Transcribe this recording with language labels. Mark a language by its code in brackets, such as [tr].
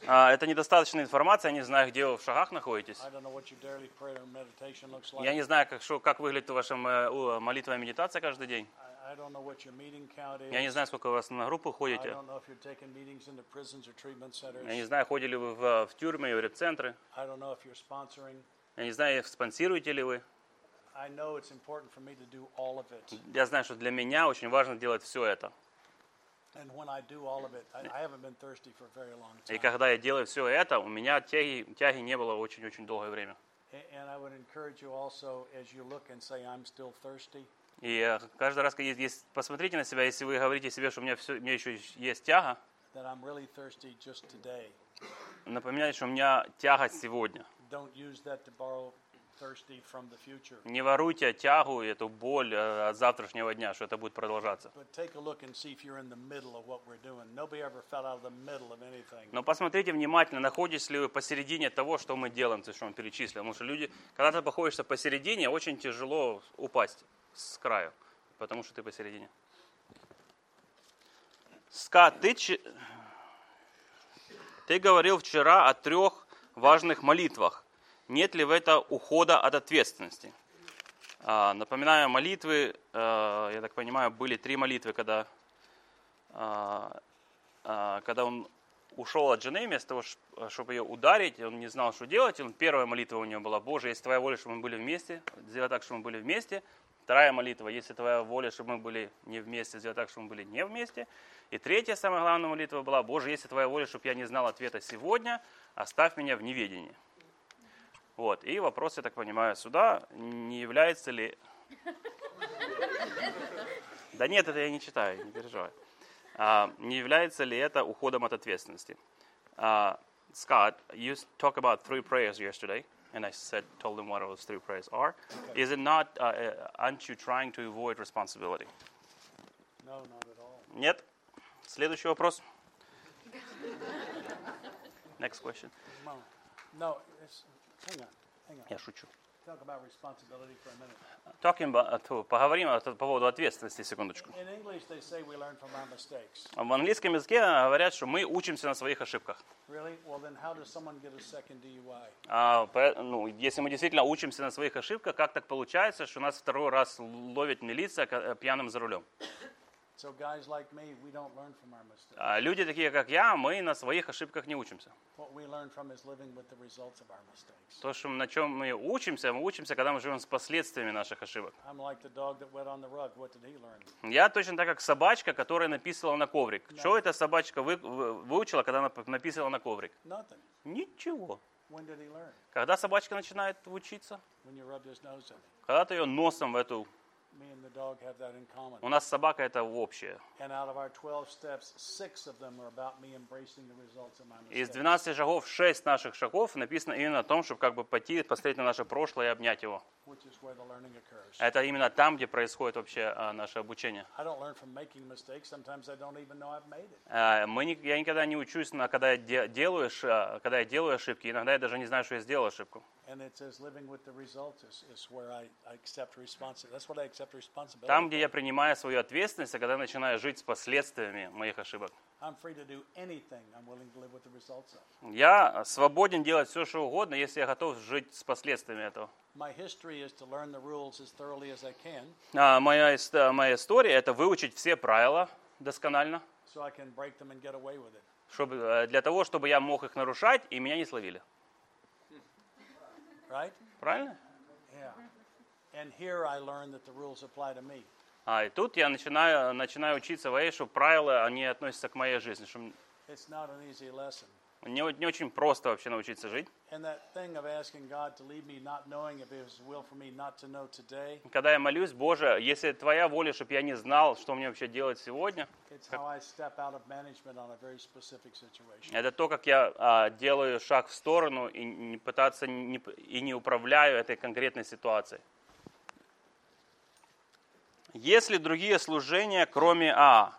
[ru] Это недостаточная информация. Я не знаю, где вы в шагах находитесь. [en] I don't know what your daily prayer or meditation looks like. [ru] Я не знаю, как выглядит ваша молитва и медитация каждый день. [en] I don't know what your meeting count is. [ru] Я не знаю, сколько у вас на группу ходите. [en] I don't know if you're taking meetings into prisons or treatment centers. [ru] Я не знаю, ходили вы в тюрьмы или центры. [en] I don't know if you're sponsoring. [ru] Я не знаю, спонсируете ли вы. [en] I know it's important for me to do all of it. [ru] Я знаю, что для меня очень важно делать все это. [en] And when I do all of it, I haven't been thirsty for a very long time. [ru] И когда я делаю все это, у меня тяги не было очень-очень долгое время. [en] And I would encourage you also, as you look and say, I'm still thirsty. [ru] И каждый раз, посмотрите на себя, если вы говорите себе, что у меня еще есть тяга, [en] that I'm really thirsty just today. [ru] Напоминайте, что у меня тяга сегодня. [en] Don't use that to borrow thirsty from the future. [ru] Не воруйте тягу, эту боль от завтрашнего дня, что это будет продолжаться. [en] But take a look and see if you're in the middle of what we're doing. Nobody ever fell out of the middle of anything. [ru] Но посмотрите внимательно, находитесь ли вы посередине того, что мы делаем, то, что он перечислил. Потому что люди, когда ты находишься посередине, очень тяжело упасть с краю, потому что ты посередине. Скотт, ты говорил вчера о трех важных молитвах. Нет ли в это ухода от ответственности? Напоминаю, молитвы, я так понимаю, были три молитвы, когда, когда он ушел от жены, вместо того, чтобы ее ударить, он не знал, что делать. Он, первая молитва у него была: «Боже, если твоя воля, чтобы мы были вместе, сделай так, чтобы мы были вместе». Вторая молитва: «Если твоя воля, чтобы мы были не вместе, сделай так, чтобы мы были не вместе». И третья, самая главная молитва была: «Боже, если твоя воля, чтобы я не знал ответа сегодня, оставь меня в неведении». Вот. И вопрос, я так понимаю, сюда: не является ли... Да нет, это я не читаю, не переживай. Не является ли это уходом от ответственности? [en] Scott, you talked about three prayers yesterday, and I said, told them what those three prayers are. Okay. Is it not, aren't you trying to avoid responsibility? No, not at all. [ru] Нет. Следующий вопрос. [en] Next question. No, it's... Hang on. [ru] Я шучу. [en] Talk about responsibility for a minute. Talking about, [ru] поговорим по поводу ответственности секундочку. [en] In English they say we learn from our mistakes. [ru] В английском языке говорят, что мы учимся на своих ошибках. [en] Really? Well, then how does someone get a second DUI? [ru] Ну, если мы действительно учимся на своих ошибках, как так получается, что нас второй раз ловит милиция пьяным за рулем? [en] So guys like me, we don't learn from our mistakes. [ru] Люди такие, как я, мы на своих ошибках не учимся. [en] What we learn from is living with the results of our mistakes. [ru] То, что, на чем мы учимся, когда мы живем с последствиями наших ошибок. [en] I'm like the dog that went on the rug. What did he learn? [ru] Я точно так, как собачка, которая написала на коврик. [en] Nothing. [ru] Что эта собачка выучила, когда она написала на коврик? [en] Nothing. [ru] Ничего. [en] When did he learn? [ru] Когда собачка начинает учиться? [en] When you rub his nose in. [ru] Когда ты ее носом в эту... [en] Me and the dog have that in common. [ru] У нас собака это общее. [en] And out of our 12 steps, 6 of them are about me embracing the results of my mistakes. [ru] Из 12 шагов 6 наших шагов написано именно о том, чтобы как бы пойти, посмотреть на наше прошлое и обнять его. [en] Which is where the learning occurs. [ru] Это именно там, где происходит вообще наше обучение. [en] I don't learn from making mistakes. Sometimes I don't even know I've made it. [ru] Я никогда не учусь на когда я делаю ошибки. Иногда я даже не знаю, что я сделал ошибку. [en] And it says living with the result is where I accept responsibility. That's what I accept responsibility. [ru] Там, где я принимаю свою ответственность, а когда начинаю жить с последствиями моих ошибок. [en] I'm free to do anything. I'm willing to live with the results of. [ru] Я свободен делать все, что угодно, если я готов жить с последствиями этого. [en] My history is to learn the rules as thoroughly as I can. [ru] Моя история — это выучить все правила досконально. [en] So I can break them and get away with it. [ru] Чтобы для того, чтобы я мог их нарушать и меня не словили. [en] Right? [ru] Правильно? [en] Yeah. And here I learn that the rules apply to me. [ru] И тут я начинаю учиться в этом, что правила, они относятся к моей жизни. Что... [en] It's not an easy lesson. [ru] Не очень просто вообще научиться жить. [en] And that thing of asking God to lead me, not knowing if it was will for me not to know today. [ru] Когда я молюсь: Боже, если твоя воля, чтобы я не знал, что мне вообще делать сегодня. [en] It's how I step out of management on a very specific situation. [ru] Это то, как я делаю шаг в сторону и не пытаться и не управляю этой конкретной ситуацией. Есть ли другие служения, кроме А?